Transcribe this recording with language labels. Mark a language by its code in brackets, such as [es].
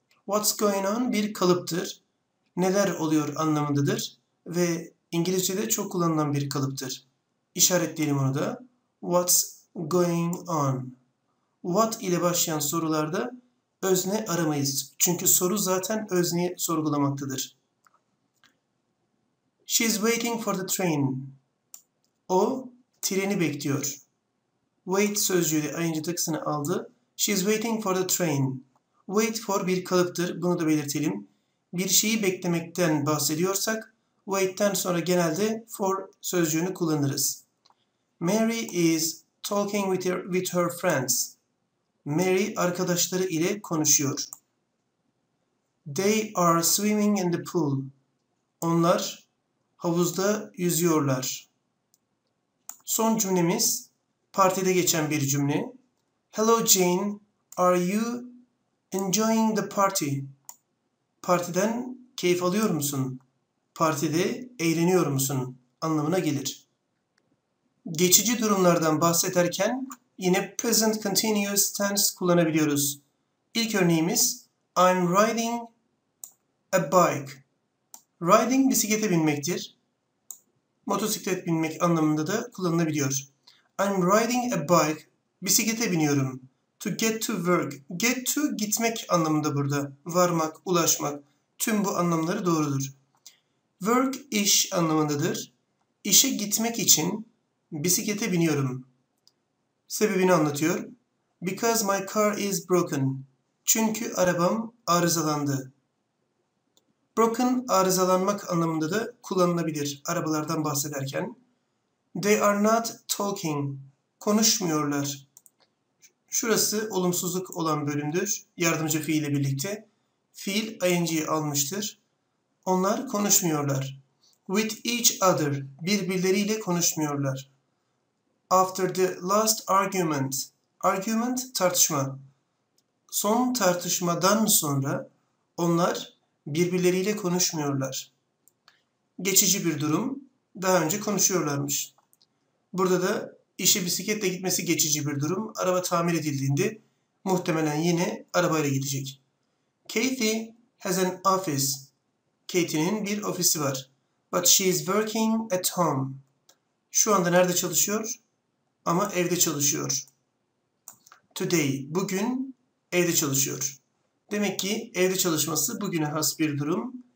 [tr] What's going on bir kalıptır. Neler oluyor anlamındadır. Ve İngilizce'de çok kullanılan bir kalıptır. İşaretleyelim onu da. [en] What's going on? [tr] What ile başlayan sorularda özne aramayız. Çünkü soru zaten özneyi sorgulamaktadır. [en] She's waiting for the train. [tr] O treni bekliyor. Wait sözcüğü ing takısını aldı. [en] She's waiting for the train. [tr] Wait for bir kalıptır. Bunu da belirtelim. Bir şeyi beklemekten bahsediyorsak wait'ten sonra genelde for sözcüğünü kullanırız. [en] Mary is talking with her friends. [tr] Mary arkadaşları ile konuşuyor. [en] They are swimming in the pool. [tr] Onlar havuzda yüzüyorlar. Son cümlemiz partide geçen bir cümle. [en] Hello Jane, are you enjoying the party? [tr] Partiden keyif alıyor musun? Partide eğleniyor musun? Anlamına gelir. Geçici durumlardan bahsederken yine present continuous tense kullanabiliyoruz. İlk örneğimiz [en] I'm riding a bike. [tr] Riding bisiklete binmektir. Motosiklet binmek anlamında da kullanılabiliyor. [en] I'm riding a bike. [tr] Bisiklete biniyorum. [en] To get to work. [tr] Get to gitmek anlamında burada. Varmak, ulaşmak. Tüm bu anlamları doğrudur. Work iş anlamındadır. İşe gitmek için bisiklete biniyorum. Sebebini anlatıyor. [en] Because my car is broken. [tr] Çünkü arabam arızalandı. Broken arızalanmak anlamında da kullanılabilir arabalardan bahsederken. [en] They are not talking. [tr] Konuşmuyorlar. Şurası olumsuzluk olan bölümdür. Yardımcı fiil ile birlikte. Fiil ing'yi almıştır. Onlar konuşmuyorlar. [en] With each other. [tr] Birbirleriyle konuşmuyorlar. [en] After the last argument. Argument tartışma. [tr] Son tartışmadan sonra onlar birbirleriyle konuşmuyorlar. Geçici bir durum. Daha önce konuşuyorlarmış. Burada da işe bisikletle gitmesi geçici bir durum. Araba tamir edildiğinde muhtemelen yine arabayla gidecek. [en] Kathy has an office. [tr] Kathy'nin bir ofisi var. [en] But she is working at home. [tr] Şu anda nerede çalışıyor? Ama evde çalışıyor. Today, bugün evde çalışıyor. Demek ki evde çalışması bugüne has bir durum.